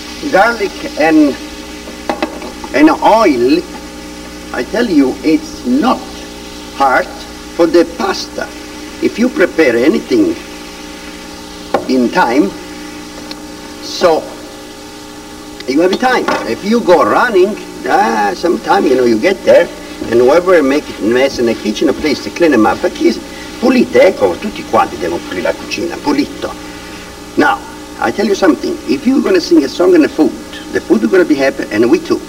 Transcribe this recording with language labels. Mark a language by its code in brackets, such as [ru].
[en] Garlic and oil, I tell you, it's not hard for the pasta. If you prepare anything in time, so you have time. If you go running, sometime, you know, you get there, and whoever make a mess in the kitchen, please clean them up. [it] Pulite, ecco, tutti quanti devono pulire la cucina, pulito. [en] Now, I tell you something, if you're going to sing a song in the food is going to be happy, and we too.